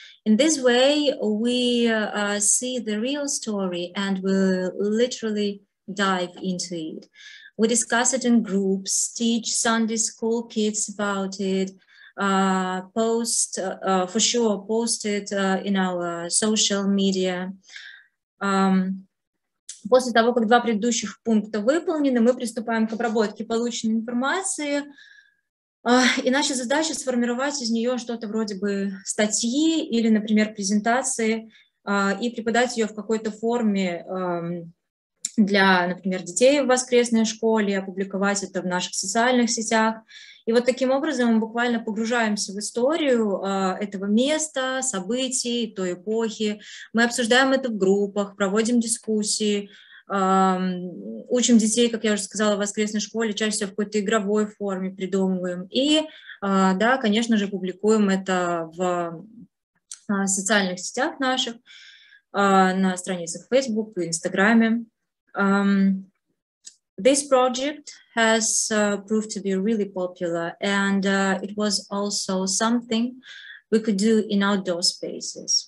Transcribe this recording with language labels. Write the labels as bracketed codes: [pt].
[en] In this way, we see the real story and we literally dive into it. We discuss it in groups, teach Sunday school kids about it, post it in our social media. [ru] После того, как два предыдущих пункта выполнены, мы приступаем к обработке полученной информации, и наша задача сформировать из нее что-то вроде бы статьи или, например, презентации, и преподать ее в какой-то форме, для, например, детей в воскресной школе, опубликовать это в наших социальных сетях. И вот таким образом мы буквально погружаемся в историю этого места, событий, той эпохи. Мы обсуждаем это в группах, проводим дискуссии, учим детей, как я уже сказала, в воскресной школе, чаще всего в какой-то игровой форме придумываем. И, да, конечно же, публикуем это в социальных сетях наших, на страницах в Facebook, в Инстаграме. [en] This project has proved to be really popular, and it was also something we could do in outdoor spaces.